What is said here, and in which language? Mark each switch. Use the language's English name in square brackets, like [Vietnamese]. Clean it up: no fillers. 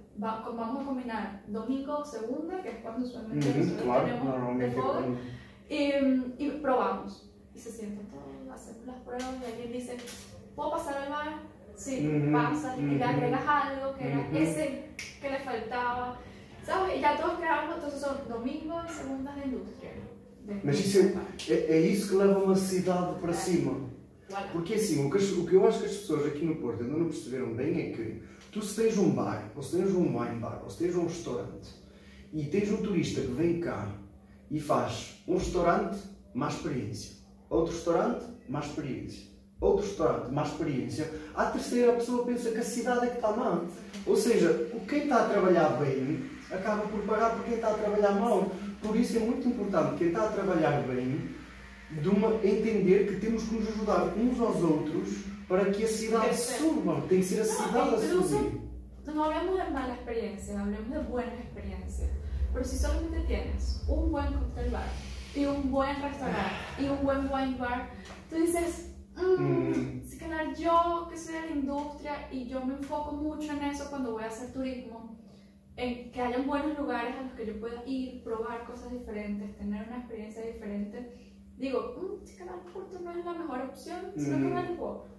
[Spanish] Vamos a combinar domingo o segunda, que es cuando usualmente tenemos de fogo, y probamos. Y se sientan todos, hacemos las pruebas y alguien dice, ¿puedo pasar al bar? Sí, pasa, y le agregas algo que era ese que le faltaba, ¿sabes? Y ya todos quedamos, entonces son domingo y segundas de industria. [Portuguese] Mas isso é isso que leva uma cidade para cima. Voilà. Porque assim, o que eu acho que as pessoas aqui no Porto ainda não perceberam bem é que tu se tens um bar, ou se tens um wine bar, ou se tens um restaurante e tens um turista que vem cá e faz um restaurante, má experiência. Outro restaurante, má experiência. Outro restaurante, má experiência. À terceira, a pessoa pensa que a cidade é que está má. Ou seja, quem está a trabalhar bem acaba por pagar por quem está a trabalhar mal. Por isso é muito importante quem está a trabalhar bem de uma, entender que temos que nos ajudar uns aos outros para que a cidade suba. Tem que ser a cidade a subir. [Spanish] Não hablamos de mala experiência, hablamos de buena experiência. Pero si solamente tienes un buen cocktail bar y un buen restaurante y un buen wine bar, tú dices, si ganar yo que soy de la industria y yo me enfoco mucho en eso cuando voy a hacer turismo, en que haya buenos lugares a los que yo pueda ir, probar cosas diferentes, tener una experiencia diferente, digo, si ganar Porto no es la mejor opción, sino que me alejo.